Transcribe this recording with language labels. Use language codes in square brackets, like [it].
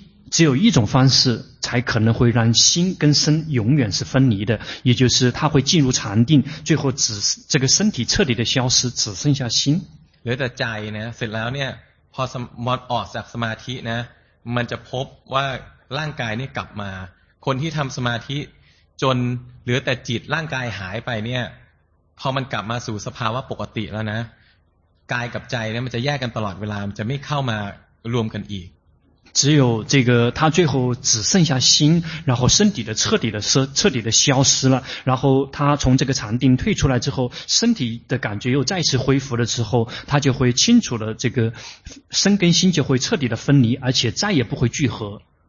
[zh] 只有一种方式才可能会让心跟身永远是分离的也就是它会进入禅定最后只这个身体彻底的消失只剩下心 [th] เหลือแต่ใจนะเสร็จแล้วเนี่ยพอสมอดออกจากสมาธินะมันจะพบว่าร่างกายนี่กลับมาคนที่ทำสมาธิจนเหลือแต่จิตร่างกายหายไปเนี่ยพอมันกลับมาสู่สภาวะปกติแล้วนะกายกับใจเนี่ยมันจะแยกกันตลอดเวลามันจะไม่เข้ามารวมกันอีก [zh] 只有这个他最后只剩下心然后身体的彻底的消失了然后他从这个禅定退出来之后身体的感觉又再次恢复了之后他就会清楚了这个身跟心就会彻底的分离而且再也不会聚合